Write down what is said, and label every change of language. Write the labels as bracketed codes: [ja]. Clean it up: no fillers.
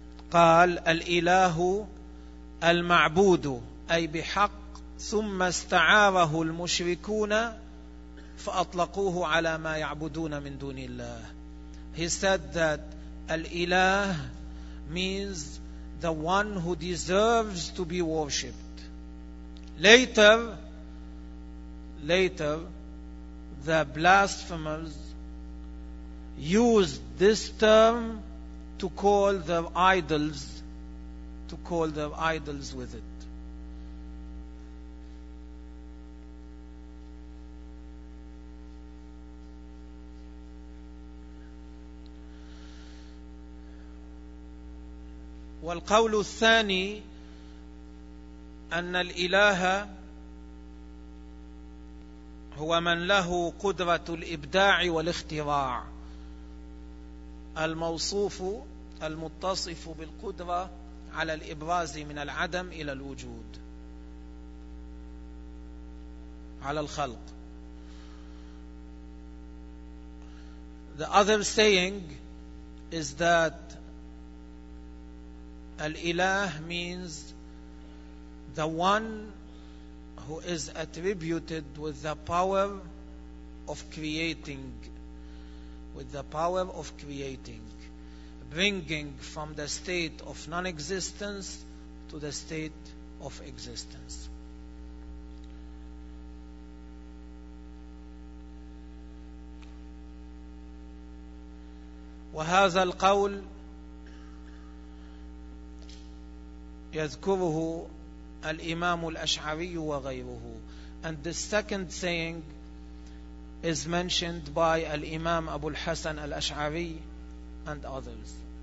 [ar] قال الإله المعبود أي بحق ثم استعاره المشركون فأطلقوه على ما يعبدون من دون الله. [en] He said that Al-Ilah means the one who deserves to be worshipped. Later, the blasphemers used this term to call their idols, to call their idols with it. [ar] والقول الثاني أن الإله هو من له قدرة الإبداع والاختراع, الموصوف المتصف بالقدرة على الإبراز من العدم إلى الوجود على الخلق. [en] The other saying is that Al-Ilah means the one who is attributed with the power of creating, with the power of creating, bringing from the state of non-existence to the state of existence. [ar] وهذا القول يذكره الإمام الأشعري وغيره. [en] And the second saying is mentioned by الإمام أبو الحسن الأشعري and others.